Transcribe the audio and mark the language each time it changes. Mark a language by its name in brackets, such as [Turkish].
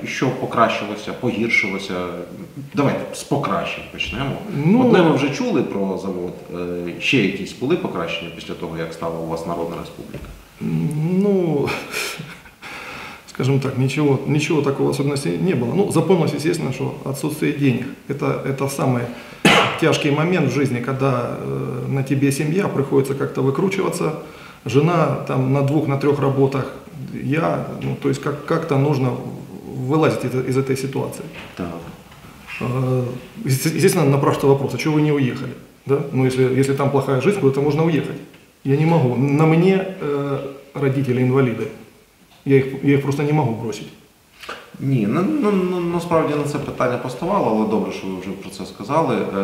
[Ukrainian] І що покращилося, погіршилося? Давайте з покращень почнемо. Ну, одне ми вже чули про завод. Ще якісь були покращення після того, як стала у вас Народна Республіка? Ну, скажімо так, нічого такого особливості не було. [Russian] Ну, запомнилось, [Ukrainian] звісно, що [Russian] відсутствие денег. [Ukrainian] Це саме... [Russian] тяжкий момент в жизни, когда на тебе семья, приходится как-то выкручиваться, жена там на двух, на трех работах, я, ну, то есть как-то нужно вылазить из этой ситуации. Так. Естественно, напрашивается вопрос, а чего вы не уехали? Да? Ну, если там плохая жизнь, куда-то можно уехать. Я не могу. На мне родители инвалиды. Я их просто не могу бросить. [Ukrainian] Ні, насправді на це питання поставало, але добре, що ви вже про це сказали.